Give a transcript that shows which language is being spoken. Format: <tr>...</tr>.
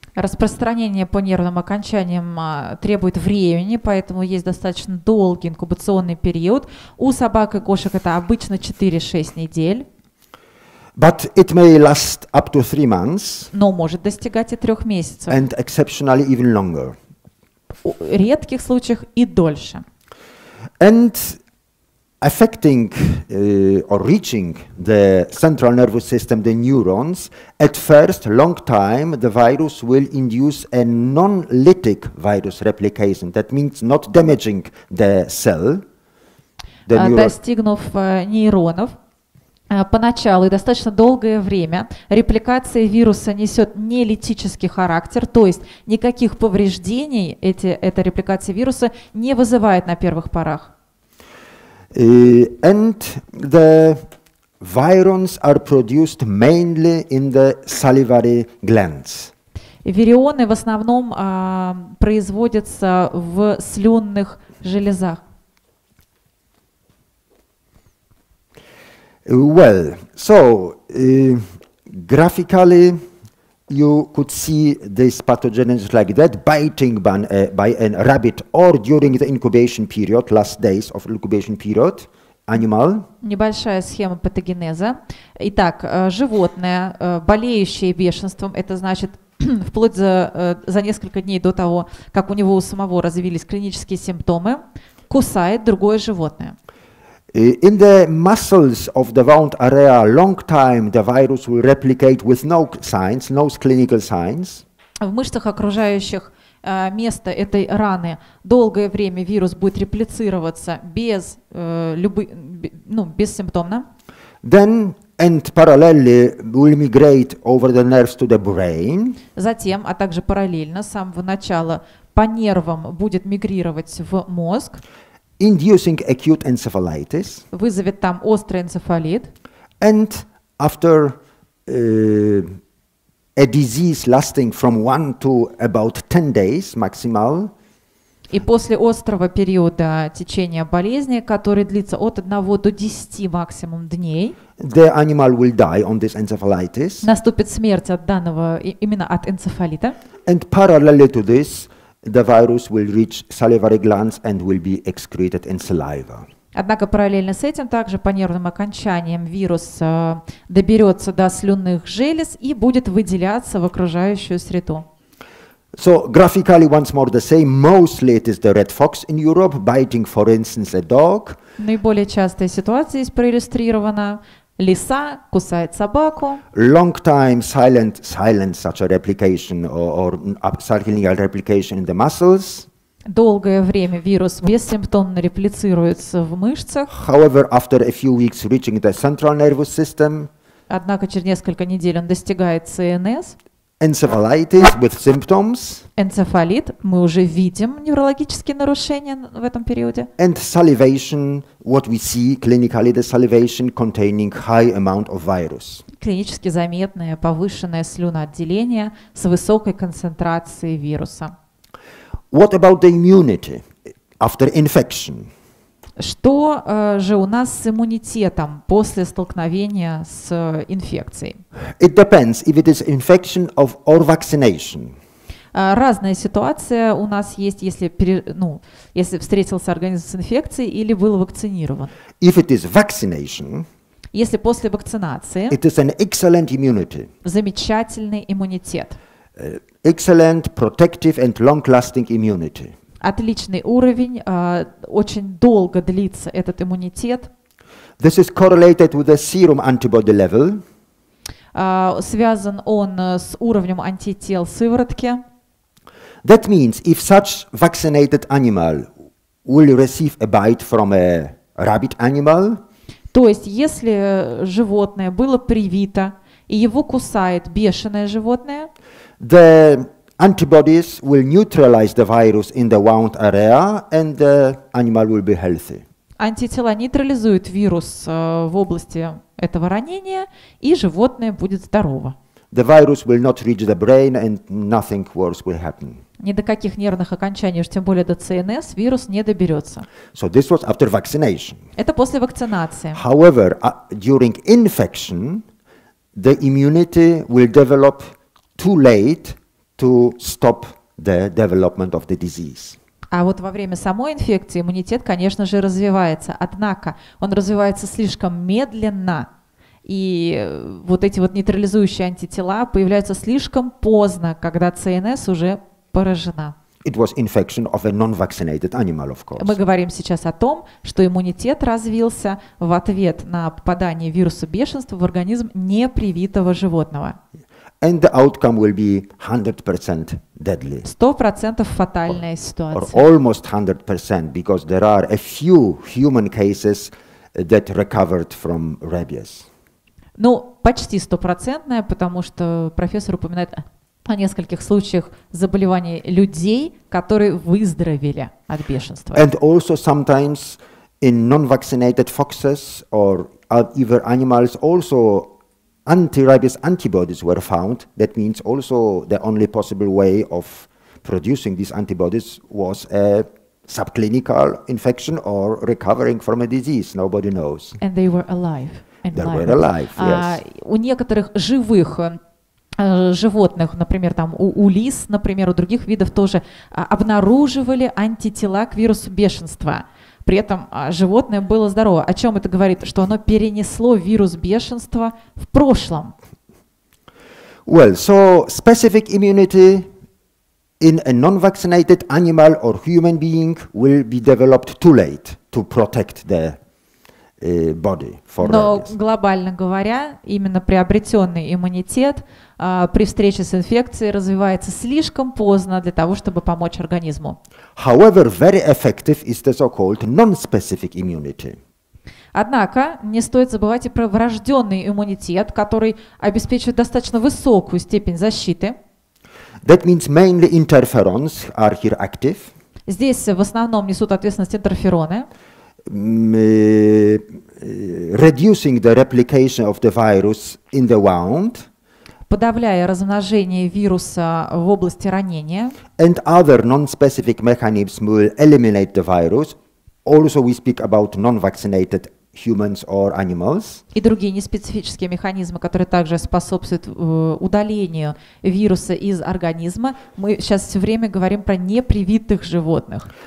<ru>Распространение по нервным окончаниям требует времени, поэтому есть достаточно долгий инкубационный период. У собак и кошек это обычно 4-6 недель.</ru> <en>But it may last up to 3 months.</en> <ru>Но может достигать и 3 месяцев.</ru> <en>And exceptionally even longer.</en> <ru>В редких случаях и дольше.</ru> <en>And affecting or reaching the central nervous system, the neurons, at first, long time, the virus will induce a non-lytic virus replication. That means not damaging the cell.</en> <ru>Достигнув нейронов, Поначалу и достаточно долгое время репликация вируса несет нелитический характер, то есть никаких повреждений эта репликация вируса не вызывает на первых порах.</ru> <en>And the virions are produced mainly in the salivary glands.</en> <ru>Вирионы в основном производятся в слюнных железах.</ru> <en>Well, so graphically you could see this pathogenesis like that, biting by a rabbit or during the incubation period, last days of incubation period, animal.</en> <ru>Небольшая схема патогенеза. Итак, животное, болеющее бешенством, это значит вплоть за несколько дней до того, как у него у самого развились клинические симптомы, кусает другое животное.</ru> <en>In the muscles of the wound area, long time the virus will replicate with no signs, no clinical signs.</en> <ru>В мышцах окружающих места этой раны долгое время вирус будет реплицироваться без бессимптомно.</ru> <en>Then and parallelly will migrate over the nerves to the brain.</en> <ru>Затем, а также параллельно с самого начала по нервам будет мигрировать в мозг.</ru> <en>Inducing acute encephalitis.</en> <ru>Вызовет там острый энцефалит.</ru> <en>And after a disease lasting from 1 to about 10 days maximal.</en> <ru>И после острого периода течения болезни, который длится от 1 до 10 максимум дней,</ru> <en>the animal will die on this encephalitis.</en> <ru>Наступит смерть от данного именно от энцефалита.</ru> <en>And parallelly to this, the virus will reach salivary glands and will be excreted in saliva.</en> <ru>Однако параллельно с этим также по нервным окончаниям вирус доберется до слюнных желез и будет выделяться в окружающую среду.</ru> <en>So graphically once more the same, mostly it is the red fox in Europe biting, for instance, a dog.</en> <ru>Наиболее частая ситуация здесь проиллюстрирована. Лиса кусает собаку.</ru> <en>Long time silent such a replication or subclinical replication in the muscles.</en> <ru>Долгое время вирус бессимптомно реплицируется в мышцах.</ru> <en>However, after a few weeks reaching the central nervous system.</en> <ru>Однако через несколько недель он достигает ЦНС.</ru> <en>Encephalitis with symptoms.</en> <ru>Энцефалит. Мы уже видим неврологические нарушения в этом периоде.</ru> <en>And salivation, what we see clinically, the salivation containing high amount of virus.</en> <ru>Клинически заметное повышенное слюноотделение с высокой концентрацией вируса.</ru> <en>What about the immunity after infection?</en> <ru>Что же у нас с иммунитетом после столкновения с инфекцией?</ru> <en>It depends if it is infection of or vaccination.</en> <ru>Разная ситуация у нас есть, если встретился организм с инфекцией или был вакцинирован.</ru> <en>If it is vaccination,</en> <ru>если после вакцинации,</ru> <en>it is an excellent immunity.</en> <ru>Замечательный иммунитет.</ru> <en>Excellent, protective and long-lasting immunity.</en> <ru>Отличный уровень, очень долго длится этот иммунитет.</ru> <en>This is correlated with the serum antibody level.</en> <ru>Связан он с уровнем антител сыворотки.</ru> <en>That means if such vaccinated animal will receive a bite from a rabbit animal.</en> <ru>То есть если животное было привито и его кусает бешеное животное,</ru> <en>the antibodies will neutralize the virus in the wound area, and the animal will be healthy.</en> <ru>Антитела нейтрализуют вирус в области этого ранения, и животное будет здорово.</ru> <en>The virus will not reach the brain, and nothing worse will happen.</en> <ru>Ни до каких нервных окончаний, уж тем более до ЦНС, вирус не доберется.</ru> <en>So this was after vaccination.</en> <ru>Это после вакцинации.</ru> <en>However, during infection, the immunity will develop too late to stop the development of the disease.</en> <ru>А вот во время самой инфекции иммунитет, конечно же, развивается. Однако он развивается слишком медленно, и вот эти вот нейтрализующие антитела появляются слишком поздно, когда ЦНС уже поражена.</ru> <en>It was infection of a non-vaccinated animal, of course.</en> <ru>Мы говорим сейчас о том, что иммунитет развился в ответ на попадание вируса бешенства в организм непривитого животного.</ru> <en>And the outcome will be 100% deadly.</en> <ru>100% фатальная ситуация.</ru> <en>Or almost 100%, because there are a few human cases that recovered from rabies.</en> <ru>Ну, почти стопроцентная, потому что профессор упоминает о нескольких случаях заболеваний людей, которые выздоровели от бешенства.</ru> <en>And also sometimes in non-vaccinated foxes or other animals also anti-rabies antibodies were found. That means also the only possible way of producing these antibodies was a subclinical infection or recovering from a disease. Nobody knows. And they were alive. They were alive. Yes.</en> <ru>У некоторых живых животных, например, там у лис, например, у других видов тоже обнаруживали антитела к вирусу бешенства. При этом животное было здорово. О чем это говорит? Что оно перенесло вирус бешенства в прошлом.</ru> <en>Well, so specific immunity in a non-vaccinated animal or human being will be developed too late to protect the body for</en> <ru>Но глобально говоря, именно приобретенный иммунитет при встрече с инфекцией развивается слишком поздно для того, чтобы помочь организму.</ru> <en>However, very effective is the so-called non-specific immunity.</en> <ru>Однако не стоит забывать и про врожденный иммунитет, который обеспечивает достаточно высокую степень защиты.</ru> <en>That means mainly interferons are here active.</en> <ru>Здесь в основном несут ответственность интерфероны.</ru> <en>Reducing the replication of the virus in the wound,</en> <ru>подавляя размножение вируса в области ранения,</ru> <en>and other non-specific mechanisms will eliminate the virus. Also, we speak about non-vaccinated humans or animals.</en> <ru>И другие неспецифические механизмы, которые также способствуют удалению вируса из организма. Мы сейчас все время говорим про непривитых животных.</ru>